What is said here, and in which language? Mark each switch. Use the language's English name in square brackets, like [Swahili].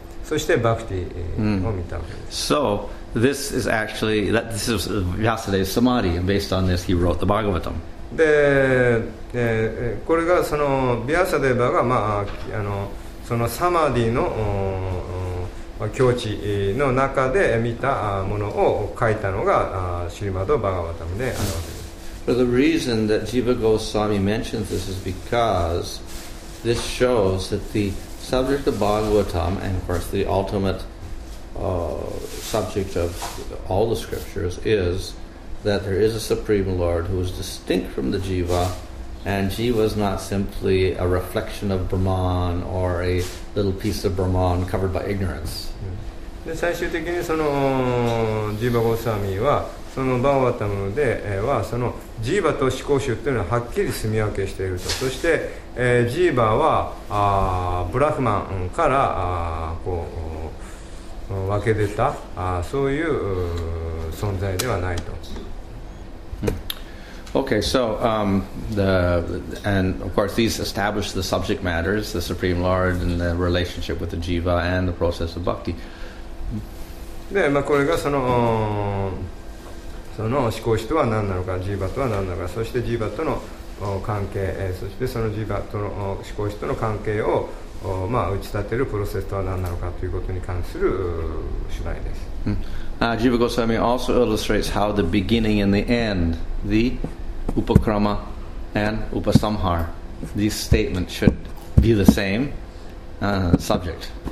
[Japanese] そして、バクティを見たわけです。 [English] So, this is actually, this is Vyasadeva's samadhi, and based on this, he wrote the Bhagavatam. [Japanese] で、これがその、ヴィアサデヴァが、まあ、そのサマーディの、境地の中で見たものを書いたのがシリマド・バガバタムであるわけです。 [English] The reason that Jiva Goswami mentions this is because this shows that the subject of Bhagavatam and of course the ultimate subject of all the scriptures is that there is a Supreme Lord who is distinct from the Jiva, and Jiva is not simply a reflection of Brahman or a little piece of Brahman covered by ignorance. [Japanese] で最終的にそのジーバ・ゴサミはそのバーワタムではそのジーバと思考集というのははっきり住み分けしていると、そしてジーバはブラフマンからこう分け出たそういう存在ではないと。 [English] Okay, so and of course these establish the subject matters, the Supreme Lord and the relationship with the Jiva and the process of bhakti. [Japanese] で、まあ、これがその思考主とは何なのか、ジーバとは何なのか、そしてジーバとの関係、そしてそのジーバとの思考主との関係を、まあ、打ち立てるプロセスとは何なのかということに関する主題です。 [English] Jiva Goswami also illustrates how the beginning and the end, the upakrama and upasamhar, these statements should be the same subject.